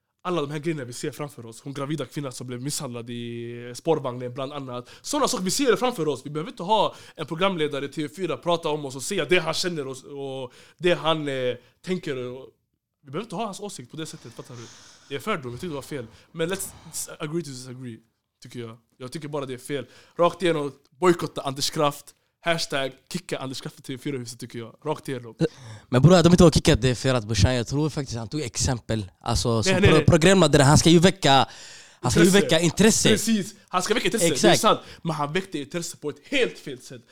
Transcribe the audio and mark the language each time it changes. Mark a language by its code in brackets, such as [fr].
[sv] Alla de här grejerna vi ser framför oss. Hon gravida kvinna som blev misshandlad i spårvagnen bland annat. Sådana saker vi ser framför oss. Vi behöver inte ha en programledare till TV4 prata om oss och säga det han känner oss och det han tänker. Vi behöver inte ha hans åsikt på det sättet. Fattar du? Det är fördom, jag tycker det var fel. Men [en] let's agree to disagree, [sv] tycker jag. Jag tycker bara det är fel. Rakt igenom, boykotta Anders Kraft. Hashtag kicka Anders Kraft till TV4-huset, tycker jag. Rakt igenom. Men bror, de inte har kickat det för att Bushan, jag tror faktiskt han tog exempel. Alltså som programledare, han ska ju väcka intresse. Precis, han ska väcka intresse. Exakt. Det är sant. Men han väckte intresse på ett helt fel sätt.